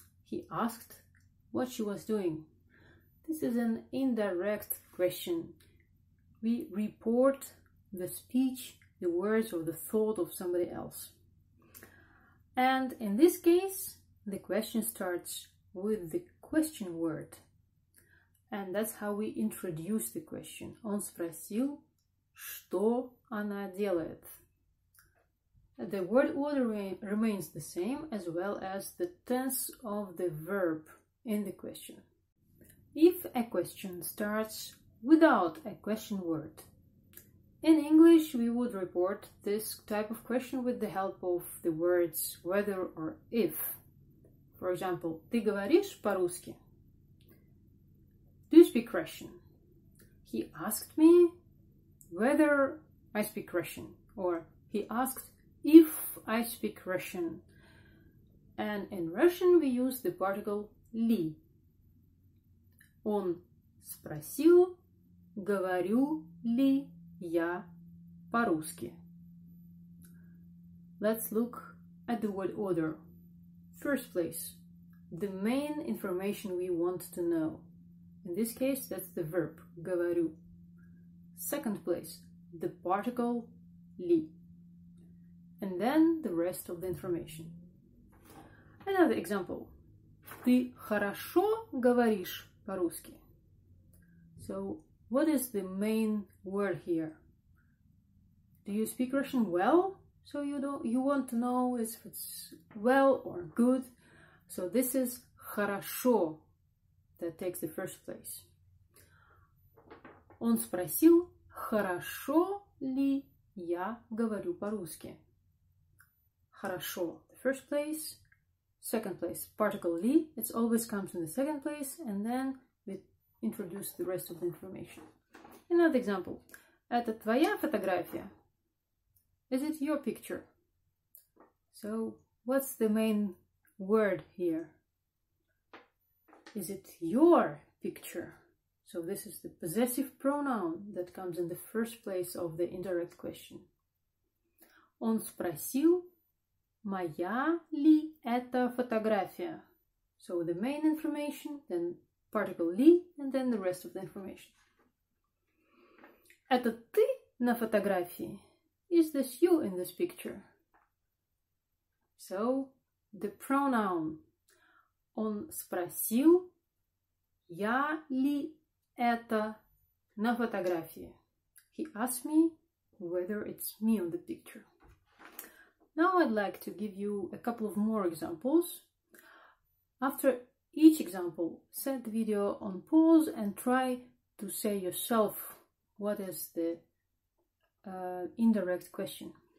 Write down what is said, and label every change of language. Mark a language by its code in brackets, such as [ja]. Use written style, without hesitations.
[en] He asked what she was doing. This is an indirect question. We report the speech, the words, or the thought of somebody else. And in this case, the question starts with the question word. And that's how we introduce the question. [ru] Он спросил, что она делает? [en] The word order remains the same, as well as the tense of the verb in the question. If a question starts without a question word, in English we would report this type of question with the help of the words whether or if. For example, [ru] ты говоришь по-русски? [en] Do you speak Russian? He asked me whether I speak Russian, or he asked if I speak Russian. And in Russian we use the particle ли. [ru] Он спросил, говорю ли я по-русски. [en] Let's look at the word order. First place, the main information we want to know. In this case, that's the verb, говорю. Second place, the particle ли. And then the rest of the information. Another example. [ru] Ты хорошо говоришь по-русски? [en] So, what is the main word here? Do you speak Russian well? So, you want to know if it's well or good. So, this is хорошо that takes the first place. [ru] Он спросил, хорошо ли я говорю по-русски? [en] Хорошо, first place, second place, particle ли, it always comes in the second place, and then we introduce the rest of the information. Another example. [ru] Это твоя фотография? [en] Is it your picture? So, what's the main word here? Is it your picture? So, this is the possessive pronoun that comes in the first place of the indirect question. [ru] Он спросил... Моя ли это фотография? [en] So, the main information, then particle ли, and then the rest of the information. [ru] Это ты на фотографии? [en] Is this you in this picture? So, the pronoun. [ru] Он спросил, я ли это на фотографии? [en] He asked me whether it's me on the picture. Now I'd like to give you a couple of more examples. After each example, set the video on pause and try to say yourself what is the indirect question.